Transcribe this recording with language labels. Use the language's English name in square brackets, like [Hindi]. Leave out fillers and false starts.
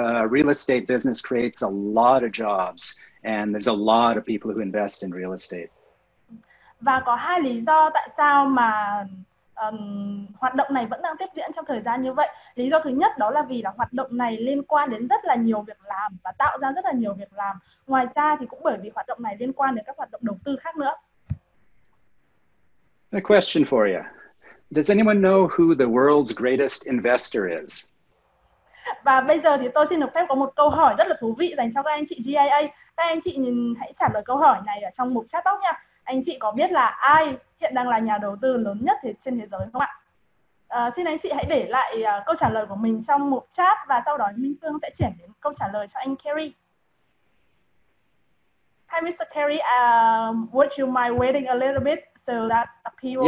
[English] Real estate business creates a lot of jobs and there's a lot of people who invest in real estate. [Vietnamese] Và có hai lý do tại sao mà hoạt động này vẫn đang tiếp diễn trong thời gian như vậy. Lý do thứ nhất đó là vì là hoạt động này liên quan đến rất là nhiều việc làm và tạo ra rất là nhiều việc làm. Ngoài ra thì cũng bởi vì hoạt động này liên quan đến các hoạt động đầu tư khác nữa. [English] A question for you. Does anyone know who the world's greatest investor is? [Vietnamese] Và bây giờ thì tôi xin được phép có một câu hỏi rất là thú vị dành cho các anh chị GIA. Các anh chị nhìn hãy trả lời câu hỏi này ở trong mục chat box nha. Anh chị có biết là ai hiện đang là nhà đầu tư lớn nhất trên thế giới không ạ? Xin anh chị hãy để lại câu trả lời của mình trong mục chat và sau đó Minh Phương sẽ chuyển đến câu trả lời cho anh Kerry. [English] Hi Mr. Kerry, would you mind waiting a little bit so that people